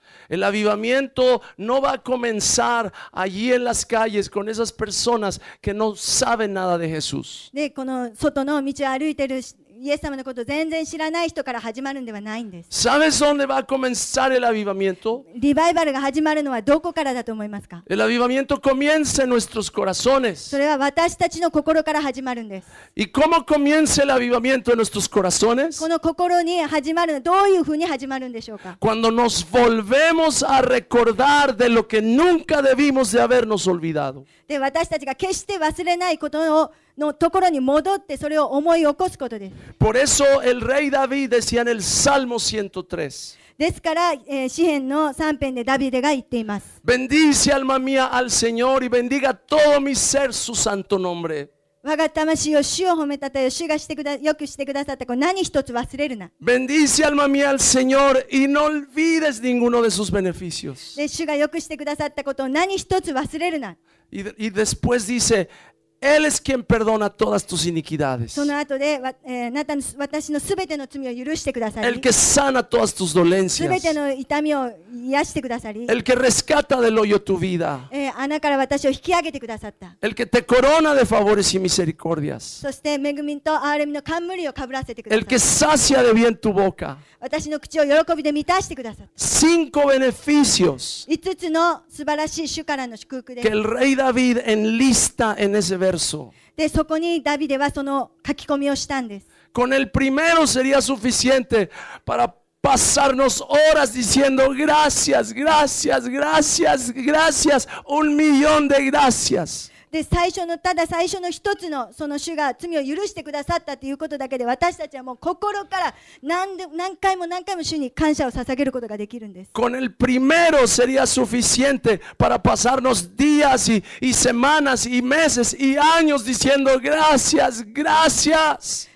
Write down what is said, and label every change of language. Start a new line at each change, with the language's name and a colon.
Spanish: el avivamiento no va a comenzar allí en las calles con esas personas que no saben nada de Jesús.
Japanese: で、この外の道を歩いてるイエス様のことを全然知らない人から始まるんではないんです。
Spanish: ¿Sabes dónde va a comenzar el avivamiento?
Japanese: リバイバルが始まるのはどこからだと思いますか？
Spanish: El avivamiento comienza en nuestros corazones.
Japanese: それは私たちの心から始まるんです。
Spanish: ¿Y cómo comienza el avivamiento en nuestros corazones?
Japanese: この心に始まるのはどういうふうに始まるんでしょうか？
Spanish: Cuando nos volvemos a recordar de lo que nunca debimos de habernos olvidado.
Japanese: で、私たちが決して忘れないことをのところに戻ってそれを思い起こすことです。
Spanish: Por eso el rey David decía en el Salmo 103.
Japanese: ですから、詩編の3編でダビデが言っています。
Spanish: Bendice alma mía al Señor y bendiga todo mi ser su santo nombre.
Japanese: 我が魂を主を褒めたたえ、主がしてくだ、よくしてくださった、こう何一つ忘れるな。
Spanish: Bendice alma mía al Señor y no olvides ninguno de sus beneficios.
Japanese: で、主がよくしてくださったことを何一つ忘れるな。
Spanish: Y después dice,Él es quien perdona todas tus iniquidades.
Japanese: その後で、私のすべての罪を許してくださり。
Spanish: El que sana todas tus dolencias.
Japanese: すべての痛みを癒してくださり。
Spanish: El que rescata del hoyo tu vida.
Japanese: 穴から私を引き上げてくださった。
Spanish: El que te corona de favores y misericordias.
Japanese: そして恵みと憐れみの冠をかぶらせてくださった。
Spanish: El que sacia de bien tu boca.
Japanese: 私の口を喜びで満たしてくださった。
Spanish: Cinco beneficios.
Japanese: 5つの素晴らしい主からの祝福で。
Spanish: Que el rey David enlista en ese vers
Japanese: でそこにダビデはその書き込みをしたんです。
Spanish: Con el primero sería suficiente para pasarnos horas diciendo gracias, gracias, gracias, gracias, un millón de gracias.
Japanese: で最初のただ最初の一つのその主が罪を許してくださったということだけで私たちはもう心から何回も主に感謝を捧げることができるんです。
Spanish: Con el primero sería suficiente para pasarnos días y semanas y meses y años diciendo gracias, gracias.